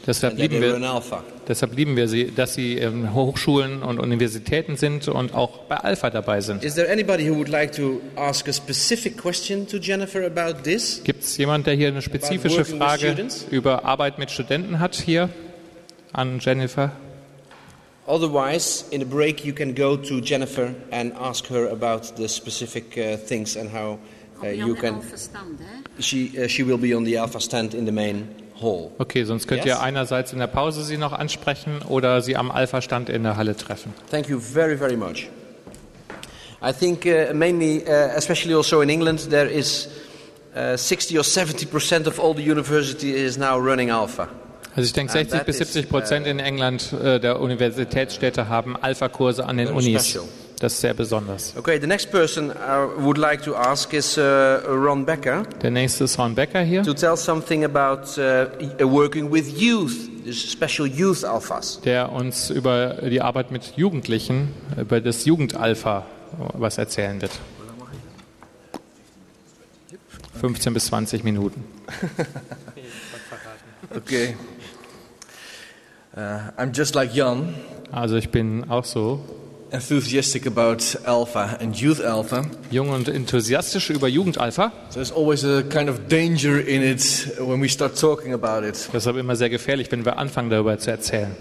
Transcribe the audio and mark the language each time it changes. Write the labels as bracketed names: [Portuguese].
[German] Deshalb lieben wir Alpha. Deshalb lieben wir sie, dass sie in Hochschulen und Universitäten sind und auch bei Alpha dabei sind. [English] Is there anybody who would like to ask a specific question to Jennifer about this? [German] Gibt's jemand, der hier eine spezifische Frage über Arbeit mit Studenten hat hier an Jennifer? [English] Otherwise, in a break, you can go to Jennifer and ask her about the specific things and how you can... She will be on the Alpha stand in the main hall. [German] Okay, sonst könnt ihr einerseits in der Pause sie noch ansprechen oder sie am Alpha stand in der Halle treffen. [English] Thank you very, very much. I think mainly, especially also in England, there is 60% or 70% of all the university is now running Alpha. [German] Also ich denke, 60% bis 70% in England der Universitätsstädte haben Alpha-Kurse an den Unis. Special. Das ist sehr besonders. [English] Okay, the next person I would like to ask is Ron Becker. [German] Der nächste ist Ron Becker hier. [English] To tell something about working with youth, special youth alphas. [German] Der uns über die Arbeit mit Jugendlichen, über das Jugendalpha was erzählen wird. 15 bis 20 Minuten. [English] Okay. I'm just like Jan. [German] Also ich bin auch so [English] enthusiastic about Alpha and Youth Alpha. [German] Jung und enthusiastisch über Jugend Alpha. [English] There's always a kind of danger in it when we start talking about it. [German] Deshalb immer sehr gefährlich, wenn wir anfangen darüber zu erzählen.